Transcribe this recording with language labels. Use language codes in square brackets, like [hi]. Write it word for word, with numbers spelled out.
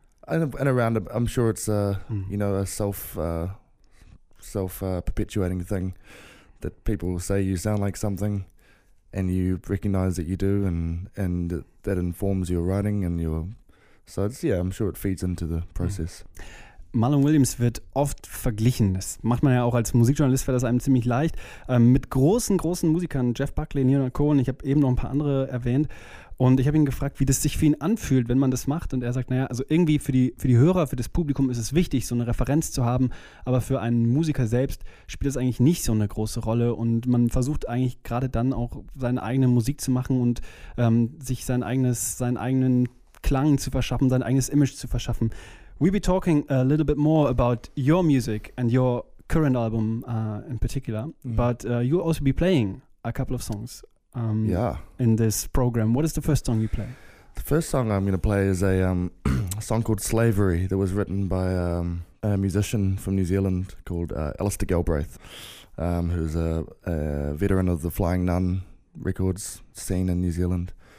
[en] And, and around, I'm sure it's uh, mm. you know, a self uh, self uh, perpetuating thing that people say you sound like something. and you recognize that you do, and and that informs your writing and your. So it's, yeah, I'm sure it feeds into the process. Mm. [de] Marlon Williams wird oft verglichen, das macht man ja auch als Musikjournalist, fällt das einem ziemlich leicht, ähm, mit großen, großen Musikern, Jeff Buckley, Leonard Cohen, ich habe eben noch ein paar andere erwähnt und ich habe ihn gefragt, wie das sich für ihn anfühlt, wenn man das macht und er sagt, naja, also irgendwie für die, für die Hörer, für das Publikum ist es wichtig, so eine Referenz zu haben, aber für einen Musiker selbst spielt es eigentlich nicht so eine große Rolle und man versucht eigentlich gerade dann auch seine eigene Musik zu machen und ähm, sich sein eigenes, seinen eigenen Klang zu verschaffen, sein eigenes Image zu verschaffen. [en] We'll be talking a little bit more about your music and your current album uh, in particular, mm. but uh, you'll also be playing a couple of songs um, yeah. in this program. What is the first song you play? The first song I'm going to play is a, um, a song called Slavery that was written by um, a musician from New Zealand called uh, Alistair Galbraith, um, who's a, a veteran of the Flying Nun records scene in New Zealand.